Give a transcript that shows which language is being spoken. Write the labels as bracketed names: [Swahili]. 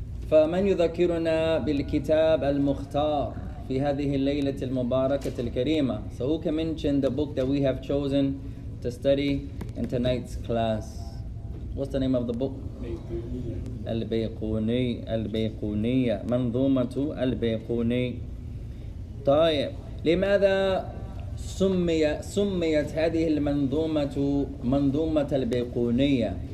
[Arabic] فَمَنْ يُذَكِّرُنَا بِالْكِتَابِ الْمُخْتَارِ في هذه الليلة المباركة الكريمة. [English] So who can mention the book that we have chosen to study in tonight's class? What's the name of the book? [Arabic] البيقوني منظومة البيقوني. طيب لماذا سميت هذه المنظومة منظومة البيقونية?